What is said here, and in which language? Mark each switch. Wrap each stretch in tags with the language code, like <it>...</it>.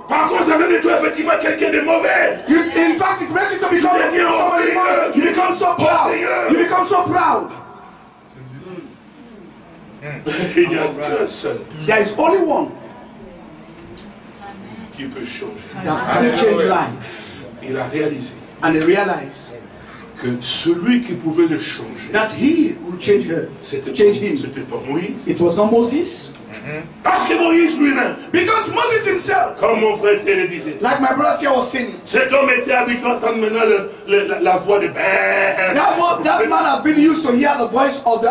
<fr>Par contre, ça fait de toi effectivement quelqu'un de mauvais.</fr> <en>You, in fact, it makes you to become somebody</en> <fr>mauvais.</fr> <en>You become so proud. You become so proud. You become so proud.</en> <fr>Il y a qu'un seul.</fr> <en>There is only one.</en> <fr>Qui peut changer.</fr> <en>That can change life.</en> <fr>Il a réalisé.</fr> <en>And he realized.</en> <fr>Que celui qui pouvait le changer.</fr> <en>That he would change her.</en> <fr>C'était</fr> <en>change</en> <fr>pas, him. C'était pas Moïse.</fr> <en>It was not Moses.</en> <fr>Mm-hmm. Parce que Moïse lui-même.</fr> <en>Because Moses himself.</en> <fr>Comme mon frère Thierry disait.</fr> <en>Like my brother Thierry was saying.</en> <fr>Cet homme était habitué à entendre maintenant la voix de</fr> <en>That man has been used to hear the voice of the</en>